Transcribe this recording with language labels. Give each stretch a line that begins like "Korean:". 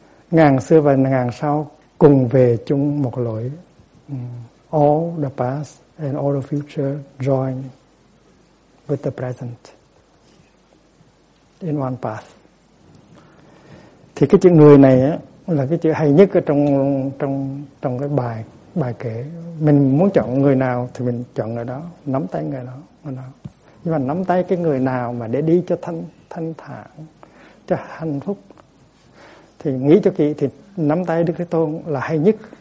Vietnamese: Ngàn xưa và ngàn sau cùng về chung một lối.
English: All the past and all the future join with the present in one path.
Vietnamese: Thì cái chữ người này á, là cái chữ hay nhất ở trong cái bài kể. Mình muốn chọn người nào thì mình chọn người đó, nắm tay người đó, người đó. Nhưng mà nắm tay cái người nào mà để đi cho thanh thản, cho hạnh phúc, thì nghĩ cho kỹ thì nắm tay Đức Thế Tôn là hay nhất.